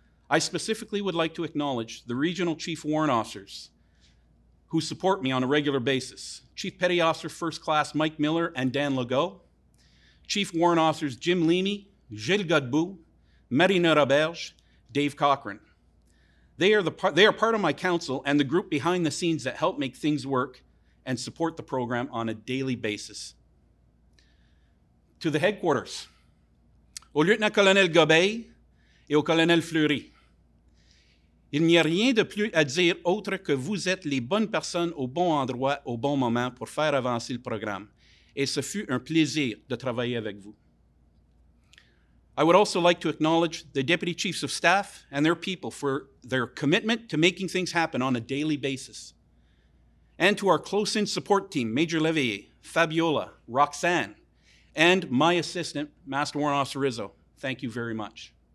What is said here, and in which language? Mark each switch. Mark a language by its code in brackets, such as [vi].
[en] I specifically would like to acknowledge the Regional Chief Warrant Officers who support me on a regular basis, Chief Petty Officer First Class Mike Miller and Dan Legault, Chief Warrant Officers Jim Leamy, Gilles Godbout, Marina Roberge, Dave Cochrane. They are part of my council and the group behind the scenes that help make things work and support the program on a daily basis. To the headquarters, [fr] au lieutenant-colonel Gobeil et au colonel Fleury, il n'y a rien de plus à dire autre que vous êtes les bonnes personnes au bon endroit, au bon moment pour faire avancer le programme. Et ce fut un plaisir de travailler avec vous. [en] I would also like to acknowledge the Deputy Chiefs of Staff and their people for their commitment to making things happen on a daily basis. And to our close-in support team, Major Leveille, Fabiola, Roxanne, and my assistant, Master Warrant Officer Rizzo. Thank you very much.